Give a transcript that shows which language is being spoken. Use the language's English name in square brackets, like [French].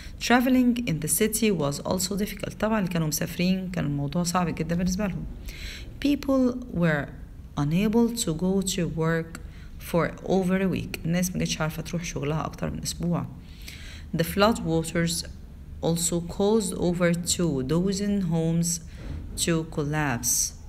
[English] Traveling in the city was also difficult. [Arabic] طبعا اللي كانوا مسافرين كان الموضوع صعب جدا بالنسبة لهم. [English] People were unable to go to work for over a week. [Arabic] الناس ما كانتش عارفة تروح شغلها أكتر من أسبوع. [English] The flood waters also caused over 2 dozen homes to collapse.